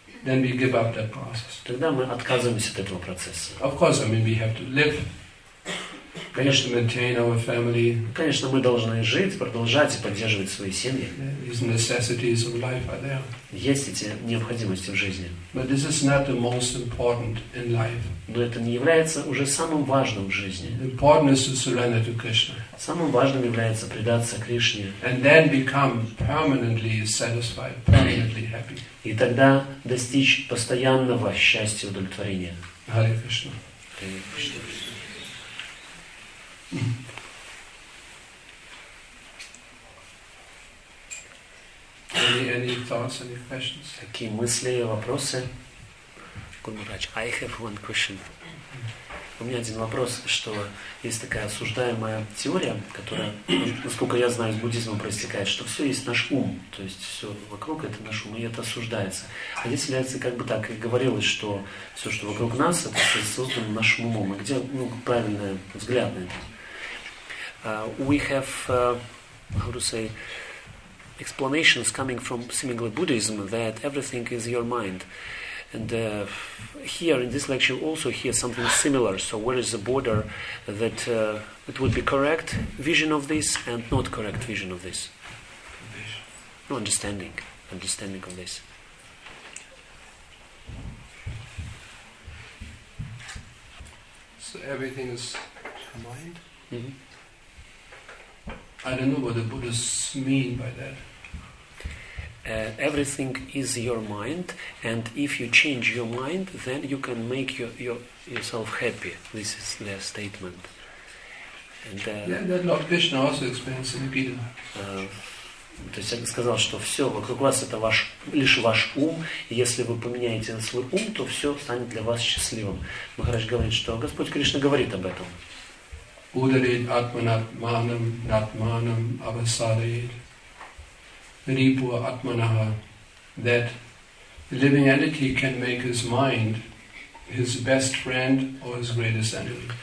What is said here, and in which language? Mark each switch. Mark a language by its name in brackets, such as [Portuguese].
[English] then we give up that process. [Russian] Тогда мы отказываемся от этого процесса. [English] Of course, I mean we have to live. [Russian] Конечно, [English] maintain our family. [Russian] Конечно, мы должны жить, продолжать и поддерживать свои семьи. [English] These necessities of life are there. [Russian] Есть эти необходимости в жизни. [English] But this is not the most important in life. [Russian] Но это не является уже самым важным в жизни. [English] The important is to surrender to Krishna. [Russian] Самым важным является предаться Кришне. [English] And then become permanently satisfied, permanently happy. [Russian] И тогда достичь постоянного счастья и удовлетворения. [English] Hare Krishna. Any thoughts, any questions? [Russian] Какие мысли, вопросы? Гурмадж, [English] I have one question. [Russian] У меня один вопрос, что есть такая осуждаемая теория, которая, насколько я знаю, из буддизма проистекает, что все есть наш ум, то есть все вокруг это наш ум, и это осуждается. А здесь является как бы так, и говорилось, что все, что вокруг нас, это все создано нашим умом. А где, ну, правильный взгляд на это? [English] We have, how to say, explanations coming from seemingly Buddhism that everything is your mind. And here in this lecture also hear something similar. So where is the border that it would be correct vision of this and not correct vision of this? Vision. No understanding. Understanding of this. So everything is your mind? Mm-hmm. I don't know what the Buddhists mean by that. Everything is your mind, and if you change your mind, then you can make yourself happy. This is their statement. And, Lord Krishna also explains in the Gita. [Russian] То есть он сказал, что все вокруг вас это ваш лишь ваш ум. Если вы поменяете свой ум, то все станет для вас счастливым. Махарадж говорит, что Господь Кришна говорит об этом. [Sanskrit] Udarit atmanatmanam natmanam avasadayet ripu atmanaha, [English] that the living entity can make his mind his best friend or his greatest enemy.